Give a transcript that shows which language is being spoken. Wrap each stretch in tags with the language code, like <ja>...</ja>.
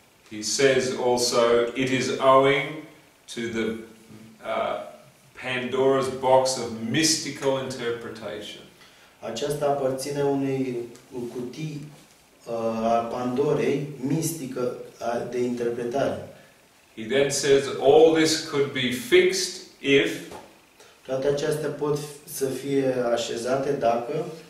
<en>He says also it is owing to the Pandora's box of mystical interpretation.</en> <ro>Aceasta aparține unei cutii a Pandorei mistică de interpretare.</ro> <en>He then says all this could be fixed if</en> <ro>toate acestea pot să fie așezate dacă</ro>